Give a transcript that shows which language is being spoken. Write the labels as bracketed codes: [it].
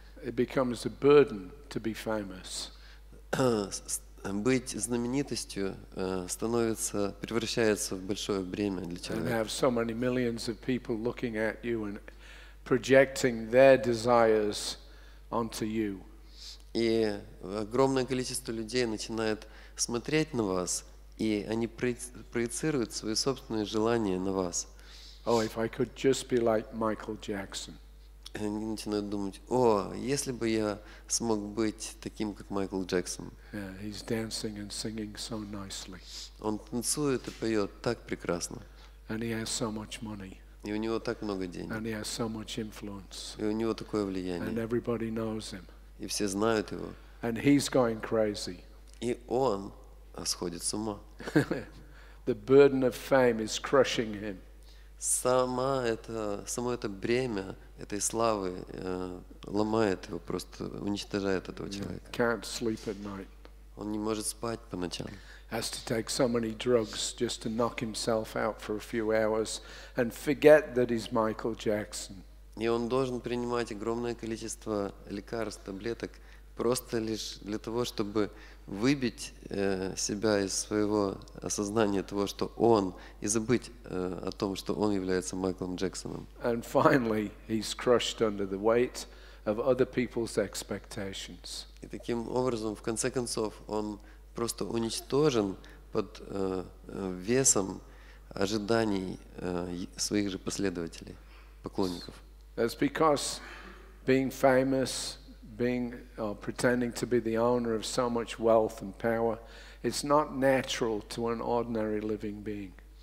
[en] It becomes a burden to be famous. [ru] Быть знаменитостью становится, превращается в большое бремя для человека. [en] And have so many millions of people looking at you and projecting their desires onto you. [ru] И огромное количество людей начинает смотреть на вас, и они проецируют свои собственные желания на вас. [en] Oh, if I could just be like Michael Jackson. [ru] Они начинают думать, о, если бы я смог быть таким, как Майкл Джексон. [en] Yeah, he's dancing and singing so nicely. [ru] Он танцует и поет так прекрасно. [en] And he has so much money. [ru] И у него так много денег. [en] And he has so much influence. [ru] И у него такое влияние. [en] And everybody knows him. [ru] И все знают его. [en] And he's going crazy. [ru] И он сходит с ума. [en] The burden of fame is crushing him. [ru] Само это бремя этой славы ломает его, просто уничтожает этого человека. [en] Can't sleep at night. [ru] Он не может спать по ночам. [en] Has to take so many drugs just to knock himself out for a few hours and forget that he's Michael Jackson. [ru] И он должен принимать огромное количество лекарств, таблеток, просто лишь для того, чтобы выбить себя из своего осознания того, что он, и забыть о том, что он является Майклом Джексоном. [en] And finally, he's crushed under the weight of other people's expectations. [ru] И таким образом, в конце концов, он просто уничтожен под весом ожиданий своих же последователей, поклонников. [en] That's because being famous, being or pretending to be the owner of so much wealth and power, it's not natural to an ordinary living being.